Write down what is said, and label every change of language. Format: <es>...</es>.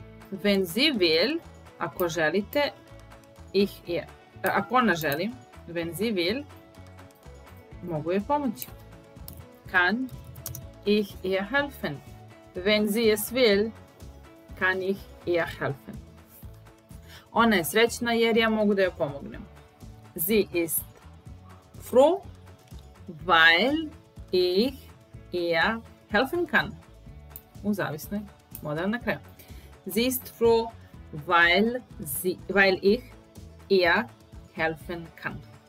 <de>Wenn sie will,</de> <sr>ako želite,</sr> <de>ich ihr,</de> <sr>ako ona želi,</sr> <de>wenn sie will,</de> <sr>mogu je pomoći.</sr> <de>Kann ich ihr helfen? Wenn sie es will, kann ich ihr helfen.</de> <sr>Ona je srećna jer ja mogu da joj pomognem.</sr> <de>Sie ist froh, weil ich ihr helfen kann.</de> <sr>U zavisnoj model na kraju.</sr> <de>Sie ist froh, weil ich ihr helfen kann.</de>